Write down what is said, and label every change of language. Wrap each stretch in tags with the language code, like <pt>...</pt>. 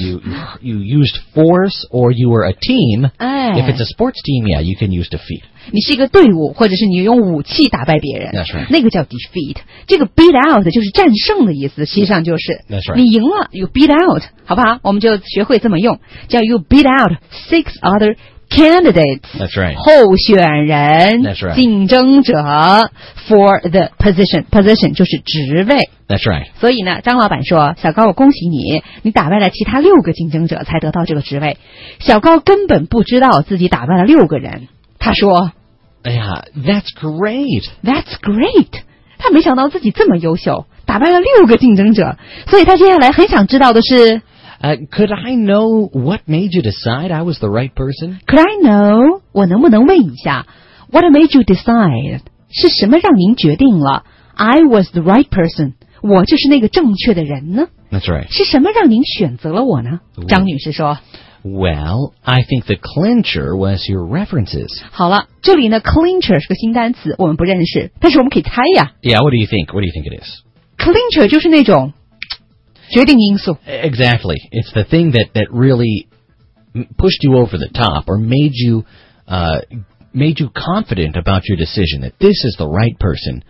<en>You used force or you were a team.</en> <zh>哎。</zh> <en>If it's a sports team, yeah, you can use defeat.</en> <zh>你是一个队伍,或者是你用武器打败别人。</zh> <en>That's right.</en> <zh>那个叫 defeat. 这个 beat out 就是战胜的意思,实际上就是。</zh> <en>That's right.</en> <zh>你赢了,</zh> <en>you beat out,</en> <zh>好不好?我们就学会这么用。叫</zh> <en>you beat out six other candidates. That's right.</en> <zh>候选人。</zh> <en>That's right.</en> <zh>竞争者</zh> <en>for the position.</en> <zh>Position 就是职位。</zh> <en>That's right.</en> <zh>所以呢，张老板说，小高，我恭喜你，你打败了其他六个竞争者才得到这个职位。小高根本不知道自己打败了六个人。他说，</zh> <en>哎呀 ，That's great. That's great.</en> <zh>他没想到自己这么优秀，打败了六个竞争者，所以他接下来很想知道的是。</zh> <en>Could I know what made you decide I was the right person? Could I know?</en> <zh>我能不能问一下</zh> <en>？What made you decide?</en> <zh>是什么让您决定了</zh> <en>I was the right person?</en> <zh>我就是那个正确的人呢</zh> <en>？That's right.</en> <zh>是什么让您选择了我呢？ Well, 张女士说</zh> <en>：“Well, I think the clincher was your references.</en> <zh>好了，这里呢 ，clincher 是个新单词，我们不认识，但是我们可以猜呀。</zh> <en>Yeah, what do you think? What do you think it is?</en> <zh>Clincher 就是那种。决定因素</zh> <en>Exactly. It's the thing that really pushed you over the top or made you confident about your decision that this is the right person.</en>